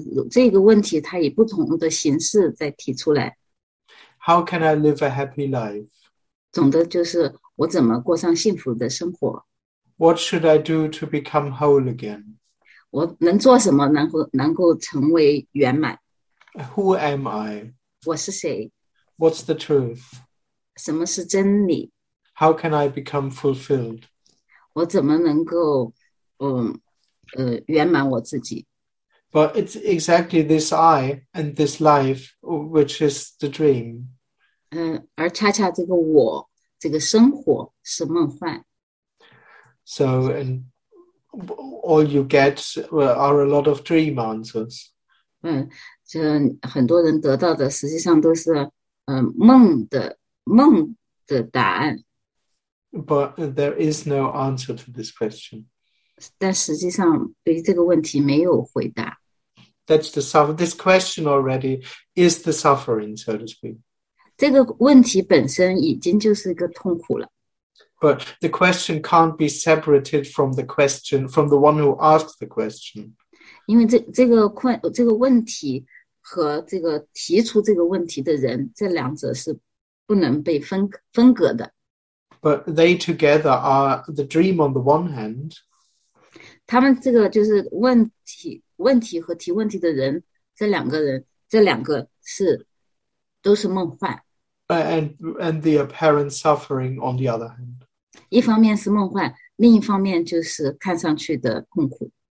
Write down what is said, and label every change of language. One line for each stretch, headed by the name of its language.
Chinese: 这个问题它以不同的形式在提出来。
English: How can I live a happy life?
Chinese: 总的就是我怎么过上幸福的生活？
English: What should I do to become whole again?
Chinese: 我能做什么能够成为圆满？
English: Who am I?
Chinese: 我是谁？
English: What's the truth?
Chinese: 什么是真理？
English: How can I become fulfilled?
Chinese: 我怎么能够圆满我自己？
English: But it's exactly this I and this life which is the dream.
Chinese: 而恰恰这个我这个生活是梦幻。
English: So, and all you get are a lot of dream answers.
Chinese: 这很多人得到的实际上都是梦的答案。
English: But there is no answer to this question.
Chinese: 但实际上对于这个问题没有回答。
English: That's the suffering. This question already is the suffering, so to speak.
Chinese: 这个问题本身已经就是一个痛苦了。
English: But the question can't be separated from the question, from the one who asked the question.
Chinese: 因为这个问题和这个提出这个问题的人，这两者是不能被分隔的。
English: But they together are the dream on the one hand.
Chinese: 他们这个就是问题和提问题的人，这两个是都是梦幻。
English: And the apparent suffering on the other hand.
Chinese: 一方面是梦幻，另一方面就是看上去的痛苦。